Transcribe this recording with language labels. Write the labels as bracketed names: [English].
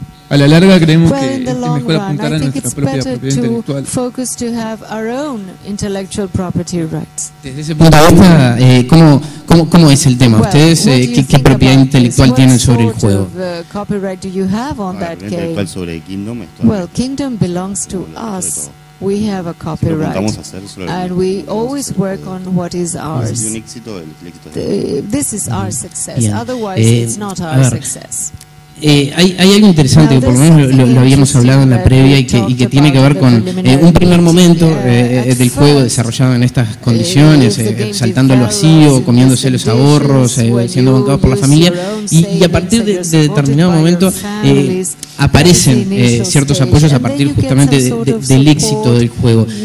[Spanish] A la larga creemos que es mejor apuntar a nuestra propia propiedad intelectual. [English] Focus to have our own intellectual property rights. [Spanish] Desde ese punto de vista, ¿cómo es el tema? ¿Ustedes qué propiedad intelectual tienen sobre el juego? [English] Copyright do you have on that game? [Spanish] Intelectual sobre Kingdom. [English] Well, Kingdom belongs to us. We have a copyright, and we always work on what is ours. This is our success. Otherwise, it's not our success. [Spanish] Hay algo interesante que por lo menos lo habíamos hablado en la previa y que tiene que ver con un primer momento del juego desarrollado en estas condiciones, saltando al vacío, comiéndose los ahorros, siendo bancados por la familia, y a partir de determinado momento aparecen ciertos apoyos a partir justamente del éxito del juego.